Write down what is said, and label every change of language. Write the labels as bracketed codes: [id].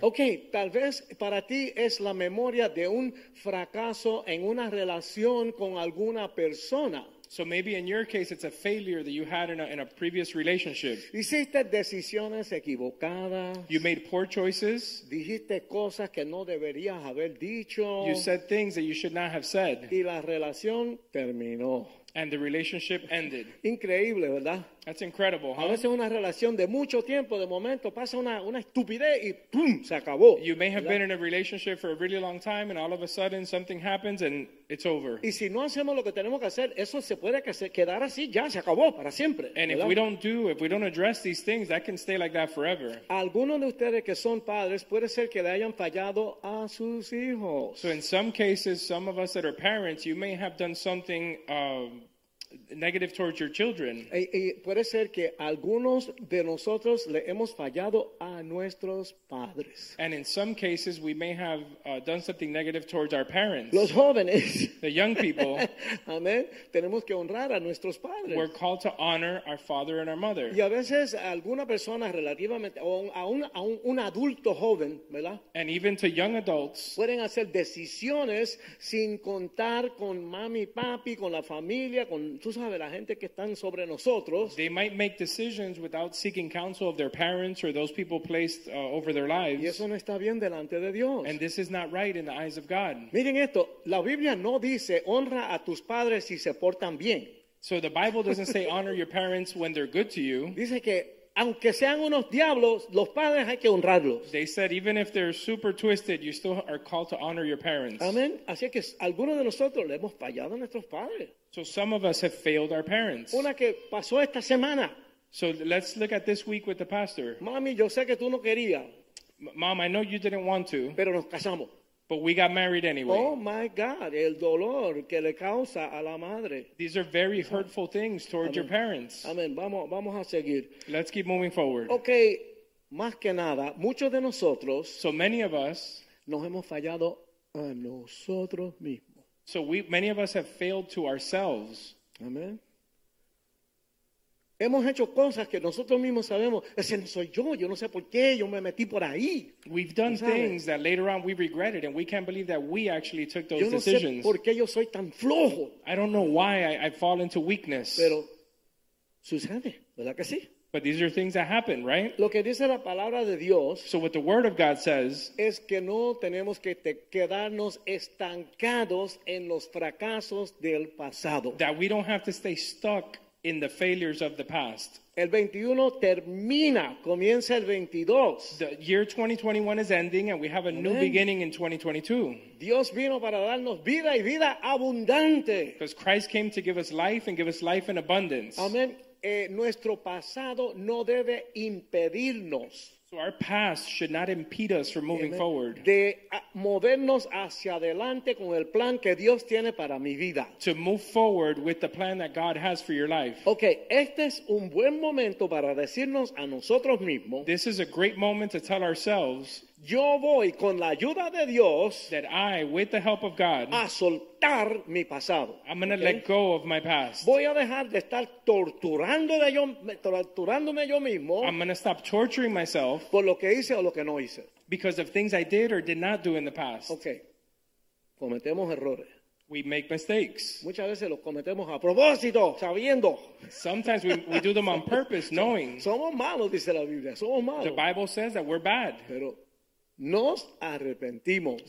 [es] Okay, tal vez para ti es la memoria de un fracaso en una relación con alguna persona. [en] So maybe in your case it's a failure that you had in a previous relationship. [es] Hiciste decisiones equivocadas. [en] You made poor choices. [es] Dijiste cosas que no deberías haber dicho. [en] You said things that you should not have said. [es] Y la relación terminó. [en] And the relationship ended. [es] Increíble, ¿verdad? [en] That's incredible, huh? [es] A veces una relación de mucho tiempo, de momento, pasa una estupidez y ¡pum! Se acabó. [en] You may have been in a relationship for a really long time and all of a sudden something happens and it's over. [es] Y si no hacemos lo que tenemos que hacer, eso se puede quedar así, ya, se acabó, para siempre. [en] And if we don't do, if we don't address these things, that can stay like that forever. [es] Algunos de ustedes que son padres, puede ser que le hayan fallado a sus hijos. [en] So in some cases, some of us that are parents, you may have done something negative towards your children. [es] Y puede ser que algunos de nosotros le hemos fallado a nuestros padres. [en] And in some cases we may have done something negative towards our parents. [es] Los jóvenes. [en] The young people. [es] Amén. Tenemos que honrar a nuestros padres. [en] We're called to honor our father and our mother. [es] Y a veces alguna persona relativamente o a un adulto joven, ¿verdad? [en] And even to young adults. [es] Pueden hacer decisiones sin contar con mami, papi, con la familia, con tú sabes, la gente que están sobre nosotros. [en] They might make decisions without seeking counsel of their parents or those people placed over their lives. [es] Y eso no está bien delante de Dios. [en] And this is not right in the eyes of God. [es] Miren esto, la Biblia no dice honra a tus padres si se portan bien. [en] So the Bible doesn't say honor your parents when they're good to you. [es] Dice que aunque sean unos diablos, los padres hay que honrarlos. [en] They said even if they're super twisted, you still are called to honor your parents. [es] Amén. Así que algunos de nosotros le hemos fallado a nuestros padres. [en] So some of us have failed our parents. [es] Una que pasó esta semana. [en] So let's look at this week with the pastor. [es] Mami, yo sé que tú no querías. [en] Mom, I know you didn't want to. [es] Pero nos casamos. [en] But we got married anyway. Oh my God, [es] el dolor que le causa a la madre. [en] These are very hurtful things towards your parents. [es] Amén. Vamos a seguir. [en] Let's keep moving forward. [es] Okay, más que nada, muchos de nosotros. [en] So many of us. [es] Nos hemos fallado a nosotros mismos. [en] So many of us have failed to ourselves. [es] Amen. Hemos hecho cosas que nosotros mismos sabemos, ese no soy yo, yo no sé por qué, yo me metí por ahí. [en] We've done things that later on we regretted and we can't believe that we actually took those decisions. [es] Yo no [en] decisions. [es] Sé por qué yo soy tan flojo. [en] I don't know why I fall into weakness. [es] Pero sucede, ¿verdad que sí? [en] But these are things that happen, right? [es] Lo que dice la palabra de Dios, [en] so what the word of God says [es] es que no tenemos que quedarnos estancados en los fracasos del pasado. [en] That we don't have to stay stuck in the failures of the past. [es] El 21 termina, comienza el 22. [en] The year 2021 is ending and we have a new beginning in 2022. [es] Dios vino para darnos vida y vida abundante. [en] Because Christ came to give us life and give us life in abundance. [es] Amen. Nuestro pasado no debe impedirnos. [en] So our past should not impede us from moving forward. [es] De movernos hacia adelante con el plan que Dios tiene para mi vida. [en] To move forward with the plan that God has for your life. [es] Okay, este es un buen momento para decirnos a nosotros mismos. [en] This is a great moment to tell ourselves. [es] Yo voy con la ayuda de Dios. [en] That I, with the help of God. [es] A soltar mi pasado. [en] I'm going to let go of my past. [es] Voy a dejar de estar torturándome yo mismo. [en] I'm going to stop torturing myself. [es] Por lo que hice o lo que no hice. [en] Because of things I did or did not do in the past. [es] Okay. Cometemos errores. [en] We make mistakes. [es] Muchas veces los cometemos a propósito, sabiendo. [en] Sometimes we do them on purpose, knowing. [es] Somos malos, dice la Biblia. Somos malos. [en] The Bible says that we're bad. [es] Pero nos arrepentimos.